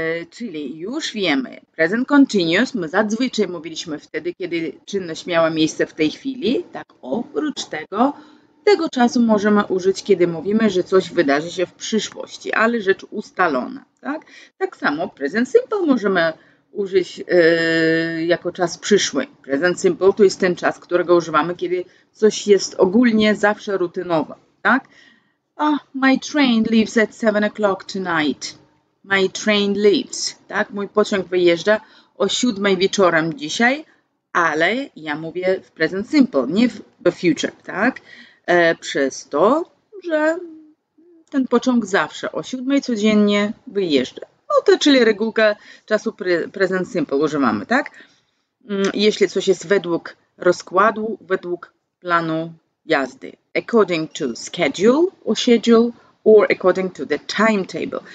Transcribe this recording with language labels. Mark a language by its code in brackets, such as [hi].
[pl] Czyli już wiemy, present continuous, my zazwyczaj mówiliśmy wtedy, kiedy czynność miała miejsce w tej chwili, tak, oprócz tego czasu możemy użyć, kiedy mówimy, że coś wydarzy się w przyszłości, ale rzecz ustalona, tak? Tak samo present simple możemy użyć jako czas przyszły. Present simple to jest ten czas, którego używamy, kiedy coś jest ogólnie zawsze rutynowe, tak? [en] Oh, my train leaves at 7 o'clock tonight. My train leaves, tak? [pl] Mój pociąg wyjeżdża o 7 wieczorem dzisiaj, ale ja mówię w present simple, nie w the future, tak? Przez to, że ten pociąg zawsze o 7 codziennie wyjeżdża. No to czyli regułka czasu present simple używamy, tak? Jeśli coś jest według rozkładu, według planu jazdy. [en] According to schedule or schedule, or according to the timetable.